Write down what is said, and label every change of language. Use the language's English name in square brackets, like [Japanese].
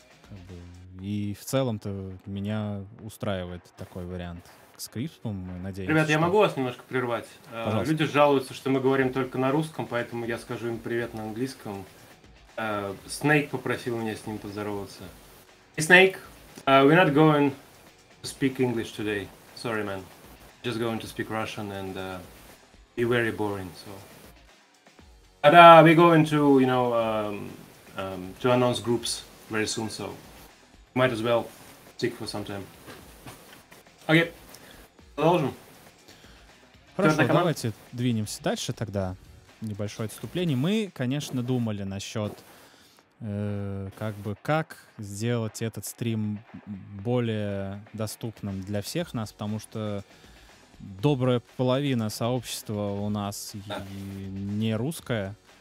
[Russian] Как бы, и в целом-то меня устраивает такой вариант с Крипсом, мы надеемся. Ребят, что... я могу вас немножко прервать? Пожалуйста. Люди жалуются, что мы говорим только на русском, поэтому я скажу им привет на английском. Снейк попросил меня с ним поздороваться. [English] Hey, Snake, we're not going to speak English today. Sorry, man. Just going to speak Russian and be very boring, so... And we're going to, you know, to announce groups very soon, so might as well stick for some time. [Russian] Окей, продолжим. Хорошо, давайте двинемся дальше тогда. Небольшое отступление. Мы, конечно, думали насчет, как бы, как сделать этот стрим более доступным для всех нас, потому что добрая половина сообщества у нас не русская.